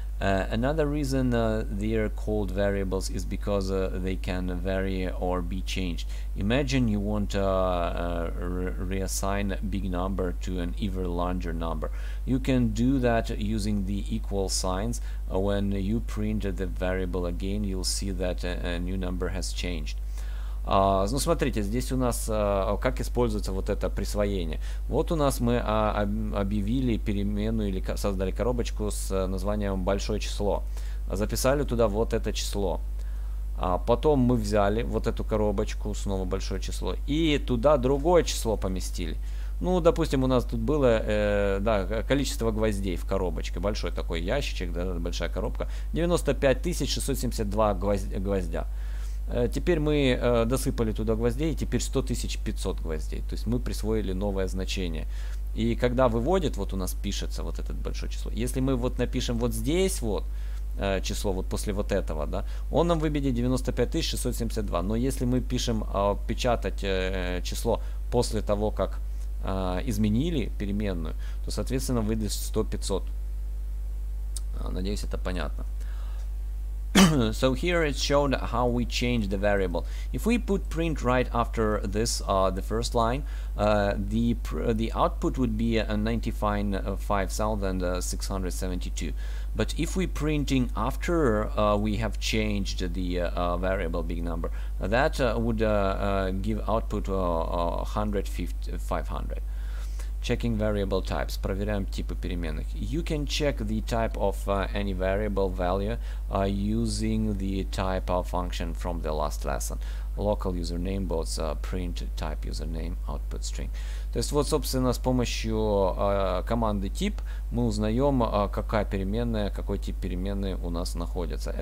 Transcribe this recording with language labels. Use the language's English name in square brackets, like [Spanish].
[English] Another reason they are called variables is because they can vary or be changed. Imagine you want to reassign a big number to an even larger number. You can do that using the equal signs. When you print the variable again, you'll see that a new number has changed. [Russian] Ну, смотрите, здесь у нас, как используется вот это присвоение. Вот у нас мы объявили переменную или создали коробочку с названием «большое число». Записали туда вот это число. Потом мы взяли вот эту коробочку, снова «большое число», и туда другое число поместили. Ну, допустим, у нас тут было да, количество гвоздей в коробочке. Большой такой ящичек, да, большая коробка. 95672 гвоздя. Теперь мы досыпали туда гвоздей, теперь 100 500 гвоздей. То есть мы присвоили новое значение. И когда выводит, вот у нас пишется вот это большое число. Если мы вот напишем вот здесь вот число, вот после вот этого, да, он нам выведет 95 672. Но если мы пишем печатать число после того, как изменили переменную, то, соответственно, выдаст 100 500. Надеюсь, это понятно. [English] So here it's shown how we change the variable. If we put print right after this, the first line, the output would be 95,672. But if we printing after we have changed the variable big number, that would give output 105,500. Checking variable types. [Russian] Проверяем типы переменных. [English] You can check the type of any variable value using the type of function from the last lesson. Local username bots print type username output string. [Russian] То есть вот, собственно, с помощью команды тип мы узнаем, какая переменная, какой тип переменной у нас находится.